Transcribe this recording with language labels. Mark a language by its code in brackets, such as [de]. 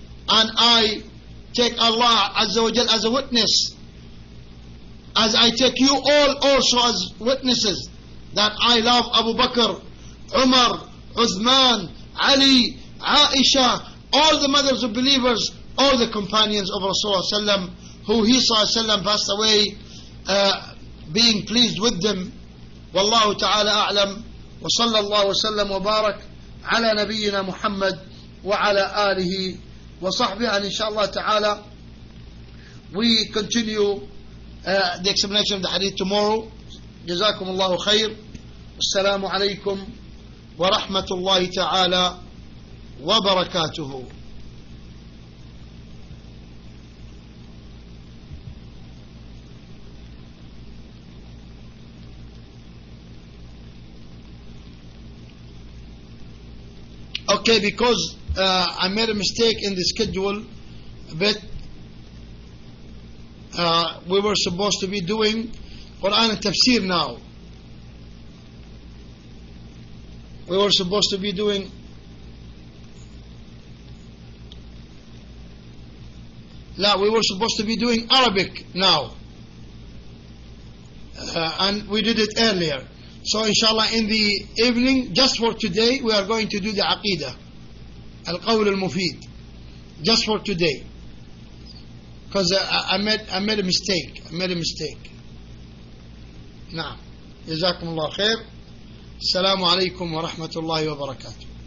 [en] And I take Allah Azza wa Jal as a witness, as I take you all also as witnesses, that I love Abu Bakr, Umar, Uthman, Ali, Aisha, all the mothers of believers, all the companions of Rasulullah sallam, who he sallam passed away being pleased with them. [ar] Wallahu ta'ala a'lam وصلى الله وسلم وبارك على نبينا محمد وعلى آله وصحبه. إن شاء الله تعالى [en] we continue the explanation of the hadith tomorrow. [ar] جزاكم الله خير. السلام عليكم ورحمة الله تعالى وبركاته. [en] Okay, because I made a mistake in the schedule a bit. We were supposed to be doing Quran and Tafsir now. We were supposed to be doing Arabic now. And we did it earlier. So inshallah in the evening, just for today, we are going to do the Aqidah, Al-Qawl Al-Mufid, just for today. Because I made a mistake. [ar] نعم. جزاكم الله خير. السلام عليكم ورحمة الله وبركاته.